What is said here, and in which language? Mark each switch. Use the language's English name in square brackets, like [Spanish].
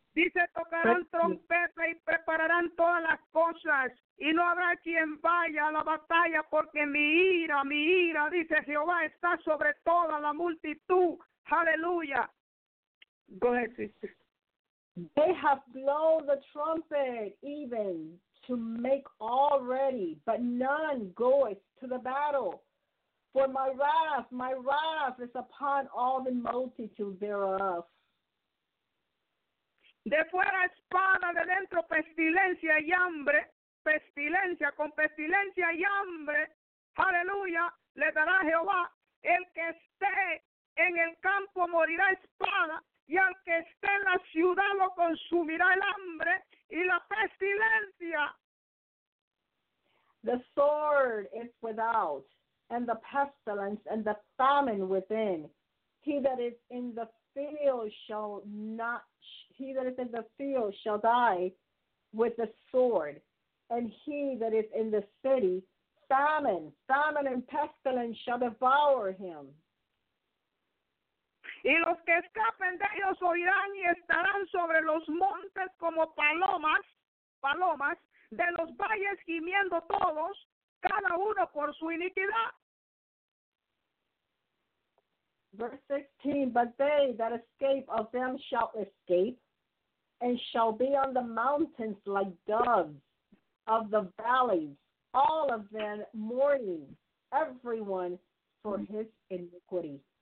[Spanish] Dice, tocarán trompeta y prepararán todas las cosas, y no habrá quien vaya a la batalla, porque mi ira, dice Jehová, está sobre toda la multitud. Aleluya. [English] Go ahead, sister. They have blown the trumpet even to make all ready, but none goeth to the battle. For my wrath is upon all the multitude thereof. [Spanish] De fuera espada, de dentro pestilencia y hambre. Pestilencia, con pestilencia y hambre. Aleluya, le dará Jehová. El que esté en el campo morirá espada. Y al que esté en la ciudad lo consumirá el hambre y la pestilencia. [English] The sword is without, and the pestilence and the famine within. He that is in the field shall not, he that is in the field shall die with the sword, and he that is in the city, famine, famine and pestilence shall devour him. [Spanish] Y los que escapen de ellos oirán y estarán sobre los montes como palomas, palomas, de los valles gimiendo todos, cada uno por su iniquidad. [English] Verse 16, but they that escape of them shall escape and shall be on the mountains like doves of the valleys, all of them mourning, everyone for his iniquity.